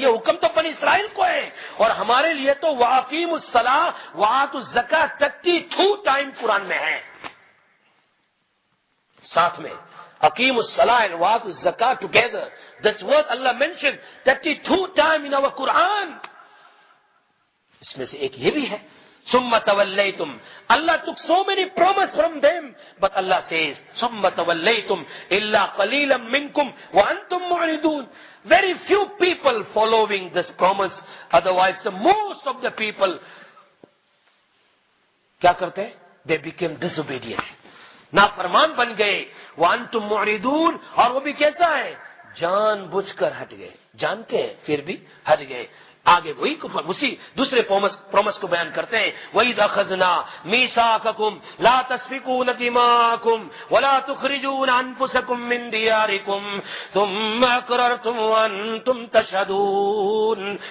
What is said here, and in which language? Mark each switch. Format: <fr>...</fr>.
<ur>یہ حکم تو بنی اسرائیل کو ہے, اور ہمارے لیے تو</ur> <ar>واقیم الصلاح وات الزکا</ar> <ur>تکتی ٹو ٹائم قرآن میں ہے, ساتھ میں</ur> <ar>اقیم الصلاح وات الزکا</ar> <ur>together,</ur> <en>This word Allah mention 32 time in our Quran. اس میں سے ایک یہ بھی ہے, ثم تولیتم, Allah took so many promise from them, but Allah says</en> <ar>ثم تولیتم الا قلیلا منکم وانتم معرضون,</ar> <en>very few people following this promise, otherwise the most of the people</en> <ur>کیا کرتے ہیں,</ur> <en>they became disobedient,</en> <ur>نافرمان بن گئے.</ur> <ar>وانتم معرضون,</ar> <ur>اور وہ بھی کیسا ہے, جان بوجھ کر ہٹ گئے, جانتے ہیں پھر بھی ہٹ گئے. آگے وہی کفر, اسی دوسرے پرومس کو بیان کرتے ہیں,</ur> <ar>وَإِذْ أَخَذْنَا مِيثَاقَكُمْ لَا تَسْفِكُونَ دِمَاءَكُمْ وَلَا تُخْرِجُونَ أَنفُسَكُمْ مِنْ دِيَارِكُمْ ثُمَّ أَقْرَرْتُمْ وَأَنْتُمْ تَشْهَدُونَ.</ar>